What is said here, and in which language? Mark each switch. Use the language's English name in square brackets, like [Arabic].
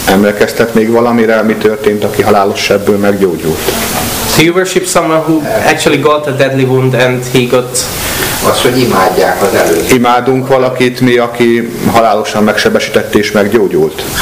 [Hungarian] Emlékeztet még valamire, ami történt, aki halálos sebből meggyógyult? [English] Do you worship someone who actually got a deadly wound and he got? [Hungarian] Azt, hogy imádják az előző. Imádunk valakit mi, aki halálosan megsebesített és meggyógyult?